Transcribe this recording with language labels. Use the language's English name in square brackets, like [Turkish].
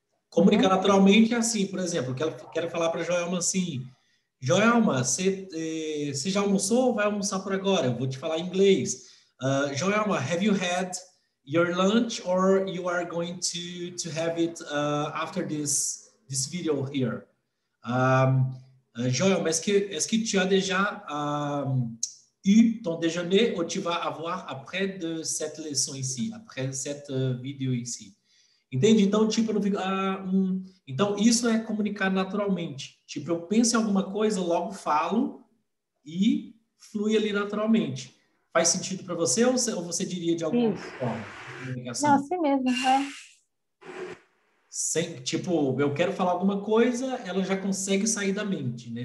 [Portuguese] Comunicar naturalmente é assim, por exemplo, quero falar para Joelma assim: Joelma, você já almoçou ou vai almoçar por agora? Eu vou te falar em inglês. [English] Joelma, have you had your lunch or you are going to have it after this video here? [French] Joelma, est-ce que tu as déjà eu ton déjeuner ou tu vas avoir après de cette leçon ici, après cette vídeo ici? [Portuguese] Entende? Então, tipo, eu não fico. Então, isso é comunicar naturalmente. Tipo, eu penso em alguma coisa, logo falo e flui ali naturalmente. Faz sentido para você ou você diria de alguma Isso. forma? Não, Comunicação. assim mesmo, é. Sem, tipo, eu quero falar alguma coisa, ela já consegue sair da mente, né?